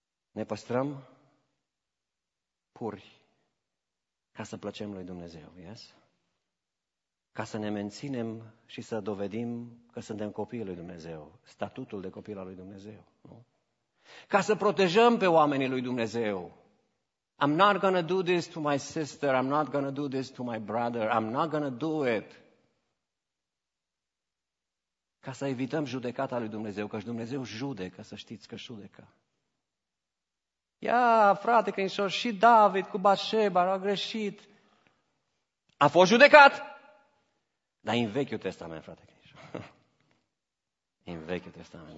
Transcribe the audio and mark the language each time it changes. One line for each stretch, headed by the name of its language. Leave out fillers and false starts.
Romanian: Ne păstrăm puri ca să plăcem lui Dumnezeu. Yes? Ca să ne menținem și să dovedim că suntem copiii lui Dumnezeu. Statutul de copil al lui Dumnezeu. Nu? Ca să protejăm pe oamenii lui Dumnezeu.
English: I'm not going to do this to my sister. I'm not going to do this to my brother. I'm not going to do it.
Romanian: Ca să evităm judecata lui Dumnezeu, căci Dumnezeu judecă, să știți că judecă. Ia, frate, că înșor și David cu Bathsheba a greșit. A fost judecat. Dar în Vechiul Testament, frate, în Vechiul Testament.